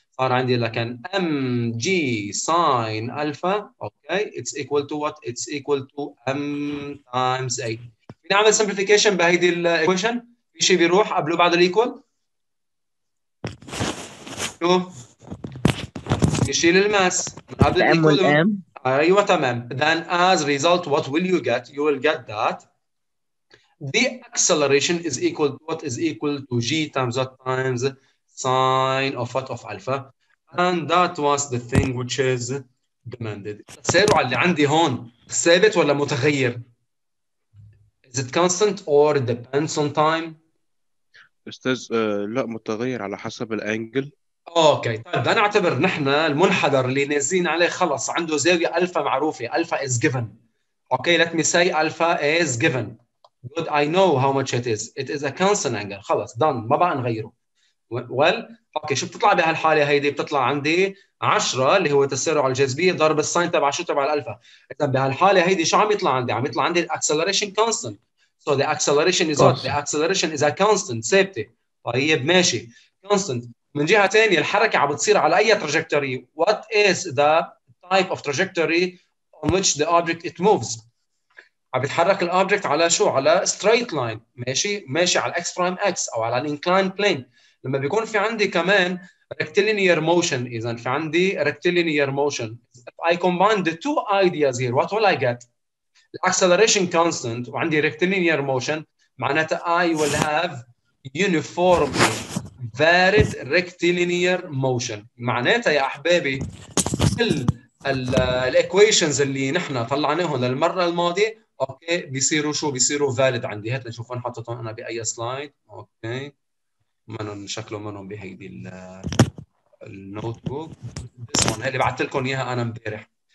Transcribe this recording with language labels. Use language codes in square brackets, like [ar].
[ar] صار عندي لكن [en] M G sine alpha okay it's equal to what? It's equal to M times A. [ar] نعمل سمبليفيكيشن بهيدي الايكويشن؟ في شيء بيروح قبله بعد الايكوال؟ شو؟ يشيل الماس من قبل الايكوال؟ ايوه تمام. [en] Then as result what will you get? You will get that the acceleration is equal to what is equal to g times what times sine of what of alpha and that was the thing which is demanded. [ar] سألوا على اللي عندي هون ثابت ولا متغير؟ [en] Is it constant or depends on time? [ar] أستاذ لا متغير على حسب الأنجل. أوكي طيب أنا أعتبر نحن المنحدر اللي نازلين عليه خلص عنده زاوية ألفا معروفة، ألفا [en] is given. Okay let me say alpha is given. Good I know how much it is. It is a constant angle. [ar] خلص done ما بقى نغيره. [en] Well طبعا [ar] اوكي شو بتطلع بهالحاله هيدي؟ بتطلع عندي 10 اللي هو تسارع الجاذبيه ضرب الساين تبع شو تبع الالفا. اذا بهالحاله هيدي شو عم يطلع عندي؟ عم يطلع عندي الاكسلريشن كونستنت. [en] So the acceleration is what? The acceleration is a constant [ar] ثابته. طيب ماشي كونستنت. من جهه ثانيه الحركه عم بتصير على اي تراجكتوري؟ [en] What is the type of trajectory on which the object it moves? [ar] عم بتحرك الاوبجكت على شو؟ على ستريت لاين. ماشي ماشي على الاكس برايم اكس او على الانكلاين بلين. لما بيكون في عندي كمان [en] rectilinear motion, [ar] اذا في عندي [en] rectilinear motion, if I combine the two ideas here, what will I get? Acceleration constant [ar] وعندي [en] rectilinear motion, معناتها I will have uniform varied rectilinear motion. [ar] معناتها يا احبابي كل الـ equations اللي نحن طلعناهم للمره الماضيه اوكي بيصيروا شو؟ بيصيروا valid عندي. هات نشوف وين حطيتهم انا باي سلايد. اوكي منهم شكله منهم بهيدي النوت بوك اللي بعثت لكم اياها انا امبارح.